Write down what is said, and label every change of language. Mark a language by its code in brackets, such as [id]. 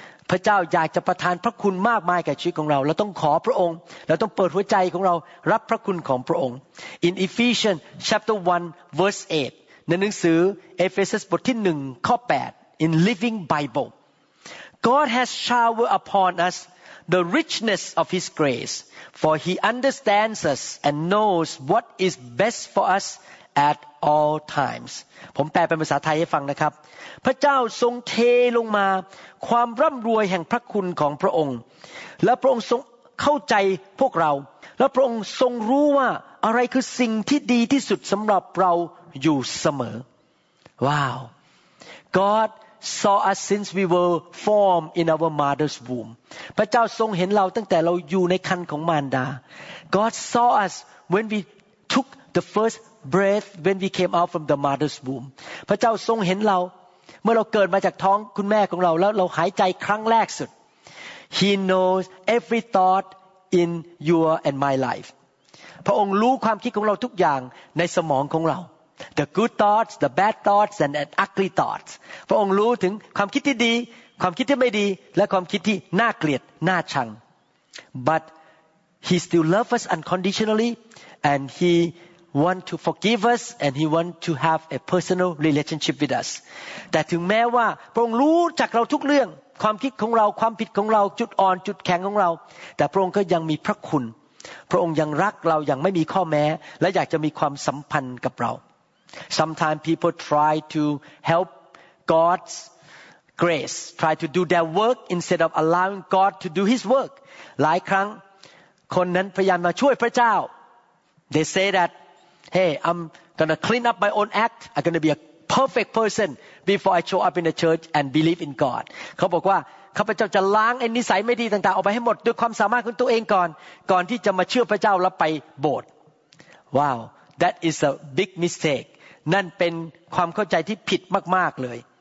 [th] พระเจ้าอยากจะประทานพระคุณมากมายแก่ชีวิตของเราเราต้องขอพระองค์เราต้องเปิดหัวใจของเรารับพระคุณของพระองค์ [en] In Ephesians chapter 1 verse 8 [th] ในหนังสือเอเฟซัสบทที่1ข้อ8 [en] In Living Bible God has showered upon us the richness of his grace for he understands us and knows what is best for us at all times [th] ผมแปลเป็นภาษาไทยให้ฟังนะครับพระเจ้าทรงเทลงมาความร่ำรวยแห่งพระคุณของพระองค์และพระองค์ทรงเข้าใจพวกเราและพระองค์ทรงรู้ว่าอะไรคือสิ่งที่ดีที่สุดสำหรับเราอยู่เสมอ [en] Wow God saw us since we were formed in our mother's womb [th] พระเจ้าทรงเห็นเราตั้งแต่เราอยู่ในครรภ์ของมารดา [en] God saw us when we took the first breath when we came out from the mother's womb [th] พระเจ้าทรงเห็นเราเมื่อเราเกิดมาจากท้องคุณแม่ของเราแล้วเราหายใจครั้งแรกสุด [en] He knows every thought in your and my life [th] พระองค์รู้ความคิดของเราทุกอย่างในสมองของเรา [en] The good thoughts, the bad thoughts, and the ugly thoughts. [th] พระองค์รู้ถึงความคิดที่ดีความคิดที่ไม่ดีและความคิดที่น่าเกลียดน่าชัง [en] But he still loves us unconditionally, and he wants to forgive us, and he wants to have a personal relationship with us. [th] แต่ถึงแม้ว่าพระองค์รู้จักเราทุกเรื่องความคิดของเราความผิดของเราจุดอ่อนจุดแข็งของเราแต่พระองค์ก็ยังมีพระคุณพระองค์ยังรักเราอย่างไม่มีข้อแม้และอยากจะมีความสัมพันธ์กับเรา [en] Sometimes people try to help God's grace, try to do their work instead of allowing God to do His work. [th] หลายครั้งคนนั้นพยายามมาช่วยพระเจ้า [en] they say that hey I'm gonna clean up my own act I'm gonna be a perfect person before I show up in the church and believe in God [th] เขาบอกว่าข้าพเจ้าจะล้างไอ้นิสัยไม่ดีต่างๆออกไปให้หมดด้วยความสามารถของตัวเองก่อนที่จะมาเชื่อพระเจ้าแล้วไปโบสถ์ [en] wow that is a big mistake [th] นั่นเป็นความเข้าใจที่ผิดมากๆเลย